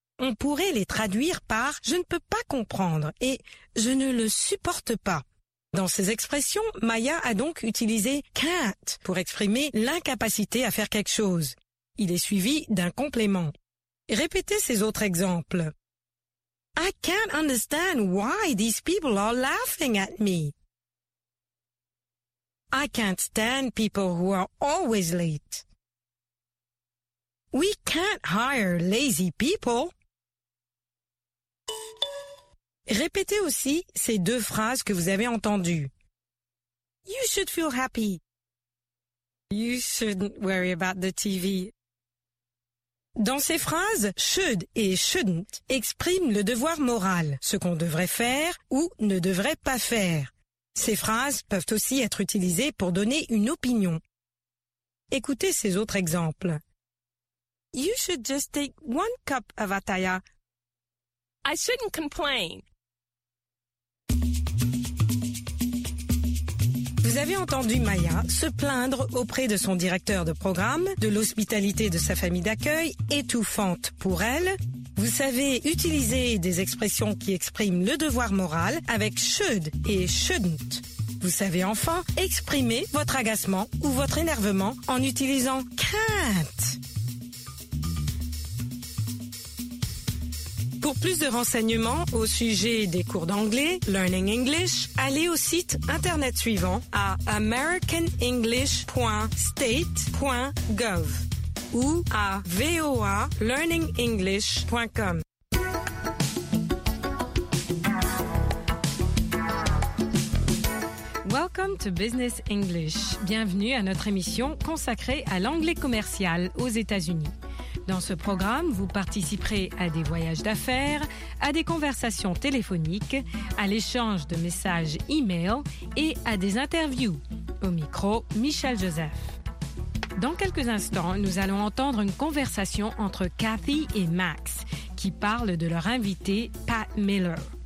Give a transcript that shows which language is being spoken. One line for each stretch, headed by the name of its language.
French: On pourrait les traduire par « je ne peux pas comprendre » et « je ne le supporte pas ». Dans ces expressions, Maya a donc utilisé « can't » pour exprimer l'incapacité à faire quelque chose. Il est suivi d'un complément. Répétez ces autres exemples.
English: I can't understand why these people are laughing at me. I can't stand people who are always late. We can't hire lazy people.
French: Répétez aussi ces deux phrases que vous avez entendues.
English: You should feel happy. You shouldn't worry about the TV.
French: Dans ces phrases, « should » et « shouldn't » expriment le devoir moral, ce qu'on devrait faire ou ne devrait pas faire. Ces phrases peuvent aussi être utilisées pour donner une opinion. Écoutez ces autres exemples.
English: You should just take one cup of Ataya. I shouldn't complain.
French: Vous avez entendu Maya se plaindre auprès de son directeur de programme de l'hospitalité de sa famille d'accueil étouffante pour elle. Vous savez utiliser des expressions qui expriment le devoir moral avec « should » et « shouldn't ». Vous savez enfin exprimer votre agacement ou votre énervement en utilisant « can't ». Pour plus de renseignements au sujet des cours d'anglais, Learning English, allez au site internet suivant à americanenglish.state.gov ou à voalearningenglish.com.
English: Welcome to Business English.
French: Bienvenue à notre émission consacrée à l'anglais commercial aux États-Unis. Dans ce programme, vous participerez à des voyages d'affaires, à des conversations téléphoniques, à l'échange de messages e-mail et à des interviews. Au micro, Michel Joseph. Dans quelques instants, nous allons entendre une conversation entre Kathy et Max, qui parlent de leur invité, Pat Miller.